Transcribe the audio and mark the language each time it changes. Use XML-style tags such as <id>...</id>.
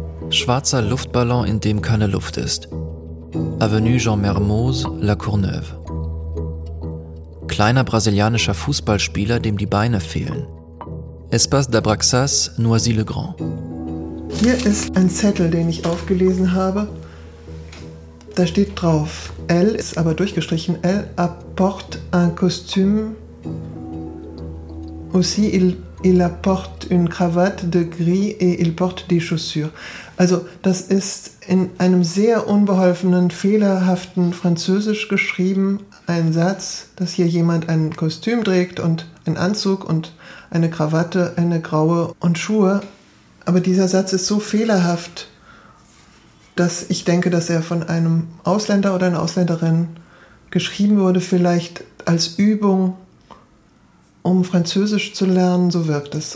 <de>Schwarzer Luftballon, in dem keine Luft ist. Avenue Jean Mermoz, La Courneuve. Kleiner brasilianischer Fußballspieler, dem die Beine fehlen. Espace d'Abraxas, Noisy-le-Grand. Hier ist ein Zettel, den ich aufgelesen habe. Da steht drauf, elle ist aber durchgestrichen,</de> <fr>elle apporte un costume, aussi il apporte une cravate de gris et il porte des chaussures.</fr> <de>Also das ist in einem sehr unbeholfenen, fehlerhaften Französisch geschrieben, ein Satz, dass hier jemand ein Kostüm trägt und einen Anzug und eine Krawatte, eine graue und Schuhe. Aber dieser Satz ist so fehlerhaft, dass ich denke, dass er von einem Ausländer oder einer Ausländerin geschrieben wurde, vielleicht als Übung, um Französisch zu lernen, so wirkt es.</de>